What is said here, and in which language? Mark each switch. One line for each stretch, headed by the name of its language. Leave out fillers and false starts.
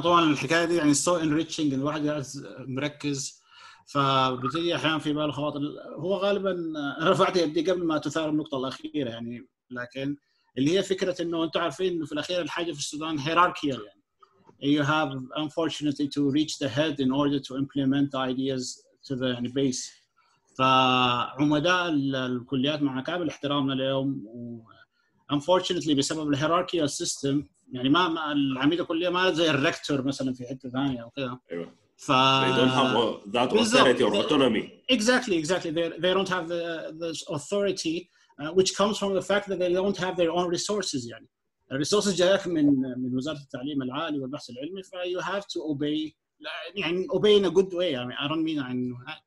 Arabic: طبعا الحكايه دي يعني سو انريتشنج، الواحد مركز فبتجي أحيانًا في باله خواطر. هو غالبًا رفعت يدي قبل ما تثار النقطة الأخيرة يعني، لكن اللي هي فكرة إنه أنتوا عارفين إنه في الأخير الحاجة في السودان هيراركية، يعني
English: you have unfortunately to reach the head in order to implement the ideas to the base.
Arabic: فعمداء الكليات مع كامل احترامنا لهم unfortunately بسبب
English: the hierarchical system
Arabic: يعني ما العميد الكلية ما زي الريكتور مثلا في حتة ثانية أو كذا.
English: They don't have that authority or autonomy. Exactly. They don't have the authority, which comes from the fact that they don't have their own resources.
Arabic: يعني resources جايك من وزارة التعليم العالي والبحث العلمي.
English: You have to obey. يعني obey in a good way. I don't mean
Arabic: عنه.